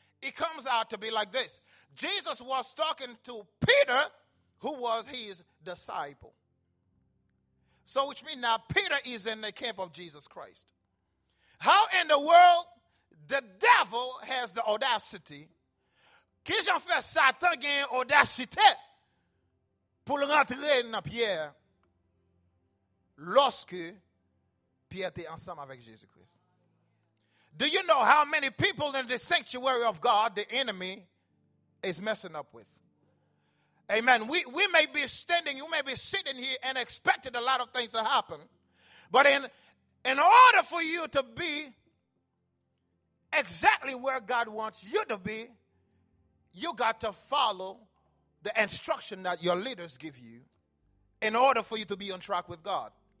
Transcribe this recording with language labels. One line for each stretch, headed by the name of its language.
English: It comes out to be like this. Jesus was talking to Peter, who was his disciple. So which means now Peter is in the camp of Jesus Christ. How in the world the devil has the audacity?
French: Qu'est-ce qu'on fait Satan gagne audacité pour rentrer dans Pierre lorsque Pierre était ensemble avec Jésus-Christ?
English: Do you know how many people in the sanctuary of God the enemy is messing up with? Amen. We may be standing, you may be sitting here and expected a lot of things to happen. But in order for you to be exactly where God wants you to be, you got to follow the instruction that your leaders give you in order for you to be on track with God.